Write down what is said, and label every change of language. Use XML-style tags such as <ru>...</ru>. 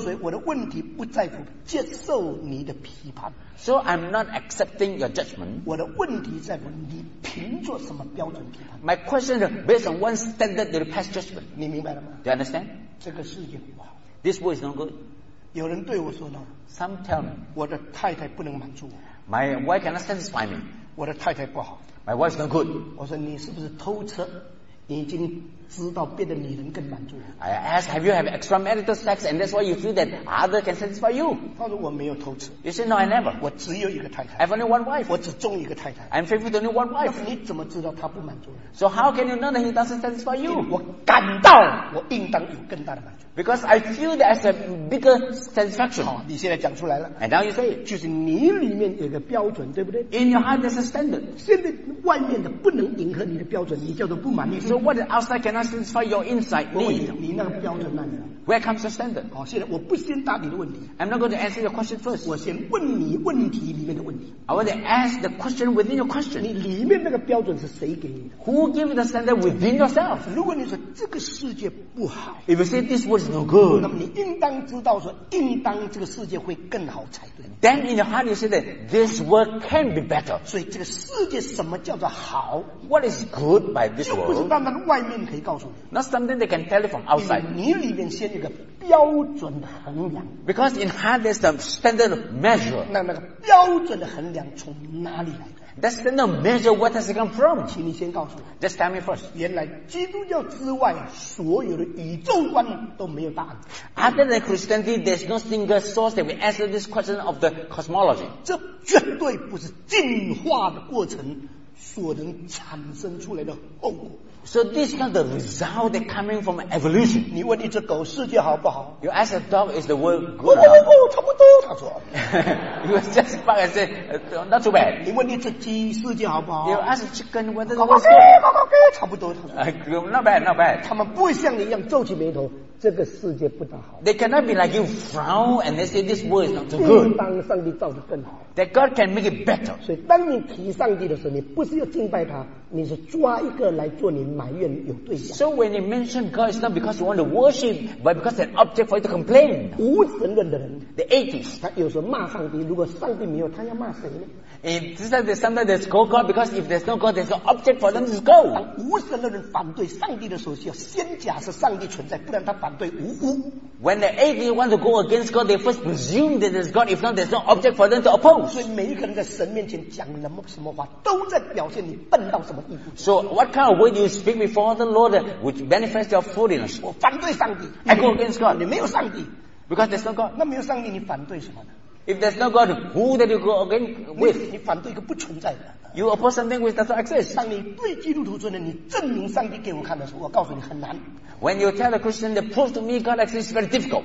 <zh>所以我的问题不在乎接受你的批判。</zh> <en>So I'm not accepting your judgment.</en> <zh>我的问题在乎你凭着什么标准批判</zh> <en>？My question is based on one standard to pass judgment.</en> <zh>你明白了吗</zh> <en>？Do you understand?</en> <zh>这个世界不好。</zh> <en>This world is no good.</en> <zh>有人对我说呢</zh> <en>？Some tell me.</en> <zh>我的太太不能满足我。</zh> <en>My wife cannot satisfy me.</en> <zh>我的太太不好。</zh> <en>My wife is no good.</en> <zh>我说你是不是偷吃？你已经知道别的女人更满足了。</zh> <en>I ask, have you had extramarital sex, and that's why you feel that other can satisfy you?</en> <zh>他说我没有偷吃。</zh> <en>You say no, I never.</en> <zh>我只有一个太太。</zh> <en>I have only one wife.</en> <zh>我只中一个太太。</zh> <en>I'm faithful to only one wife.</en> <zh>那你怎么知道他不满足了</zh> <en>？So how can you know that he doesn't satisfy you?</en> <zh>我感到我应当有更大的满足。</zh> <en>Because I feel that as a bigger satisfaction.</en> <zh>好，你现在讲出来了。</zh> <en>And now you say,</en> <zh>就是你里面有个标准，对不对</zh> <en>？In your heart, there's a standard.</en> <zh>现在外面的不能迎合你的标准，你叫做不满意。</zh> <en>So what the outside cannot satisfy your inside need.</en> <zh>你那个标准哪里来</zh> <en>？Where comes the standard?</en> <zh>好，现在我不先答你的问题。</zh> <en>I'm not going to answer your question first.</en> <zh>我先问你问题里面的问题。</zh> <en>I want to ask the question within your question.</en> <zh>你里面那个标准是谁给你的</zh> <en>？Who gave the standard within yourself?</en> <zh>如果你说这个世界不好</zh> <en>，If you say this world is no good,</en> <zh>那么你应当知道说，应当这个世界会更好才对。</zh> <en>Then in your heart you say that this world can be better.</en> <zh>所以这个世界什么叫做好</zh> <en>？What is good by this world?</en> <zh>又不是单单外面可以告诉你。</zh> <en>Not something they can tell you from outside.</en> <zh>你里面先有个标准衡量。</zh> <en>Because in heart there's a standard measure.</en> <zh>那个标准的衡量从哪里来的</zh> <en>？That standard measure where does it come from?</en> <zh>请你先告诉我。</zh> <en>Just tell me first.</en> <zh>原来基督教之外所有的宇宙观都没有答案。</zh> <en>Other than Christianity, there's no single source that we answer this question of. The cosmology.</en> <zh>这绝对不是进化的过程所能产生出来的后果。</zh> <en>So this is not the result that coming from evolution.</en> <zh>你问一只狗世界好不好</zh> <en>？You ask a dog, is the world good or not?</en> <zh>不，差不多。他说。</zh> <en>You just back and say, not too bad.</en> <zh>你问一只鸡世界好不好</zh> <en>？You ask a chicken whether the world is good.</en> <zh>好，差不多。他说。</zh> <en>Not bad, not bad.</en> <zh>他们不会像你一样皱起眉头。这个世界不大好。</zh> <en>They cannot be like you frown and they say this world is not too good.</en> <zh>应当上帝造得更好。</zh> <en>That God can make it better.</en> <zh>所以当你提上帝的时候，你不是要敬拜他，你是抓一个来做你埋怨有对象。</zh> <en>So when you mention God, it's not because you want to worship, but because it's an object for you to complain.</en> <zh>无神论的人</zh> <en>，the atheist，</en> <zh>他有时候骂上帝，如果上帝没有，他要骂谁呢</zh> <en>？It's just that sometimes they scold God because if there's no God, there's no object for them to scold.</en> <zh>当无神论的人反对上帝的时候，需要先假设上帝存在，不然他反对无辜。</zh> <en>When the atheist want to go against God, they first presume that there's God. If not, there's no object for them to oppose.</en> <zh>所以每一个人在神面前讲什么话，都在表现你笨到什么地步。</zh> <en>So what kind of word you speak before the Lord would manifest your foolishness?</en> <zh>我反对上帝。</zh> <en>I go against God.</en> <zh>你没有上帝。</zh> <en>Because there's no God.</en> <zh>那没有上帝，你反对什么呢？</zh> <en>If there's no God, who that you go against with?</en> <zh>你反对一个不存在的。</zh> <en>You oppose something which doesn't exist.</en> <zh>当你对基督徒说的，你证明上帝给我看的时候，我告诉你很难。</zh> <en>When you tell a Christian to prove to me God exists, it's very difficult.</en>